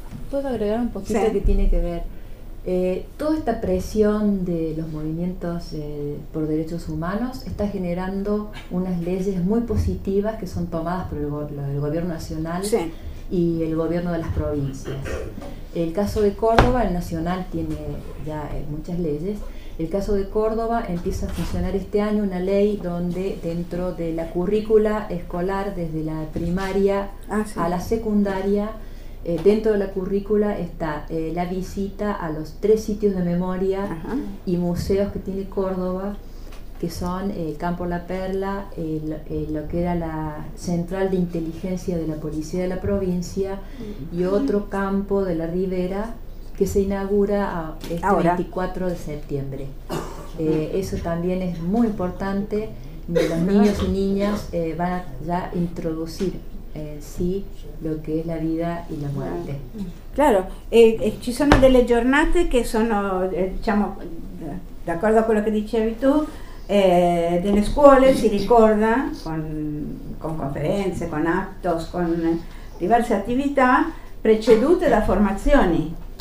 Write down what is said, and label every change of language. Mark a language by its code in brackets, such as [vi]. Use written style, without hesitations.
[it] Posso aggiungere un pochino sì. Che [es] tiene che ver? Toda esta presión de los movimientos por derechos humanos está generando unas leyes muy positivas que son tomadas por el gobierno nacional sí. Y el gobierno de las provincias. El caso de Córdoba, el nacional tiene ya muchas leyes. El caso de Córdoba empieza a funcionar este año una ley donde dentro de la currícula escolar desde la primaria sí. A la secundaria dentro de la currícula está la visita a los tres sitios de memoria ajá. Y museos que tiene Córdoba, que son Campo La Perla, lo que era la central de inteligencia de la policía de la provincia y otro campo de la Ribera que se inaugura este ahora. 24 de septiembre. Eso también es muy importante, los niños y niñas van a ya introducir [it] sì, lo che è la vita e la morte. Claro, ci sono delle giornate che sono, diciamo, d'accordo a quello che dicevi tu, delle scuole si ricorda con conferenze, con actos, con diverse attività precedute da formazioni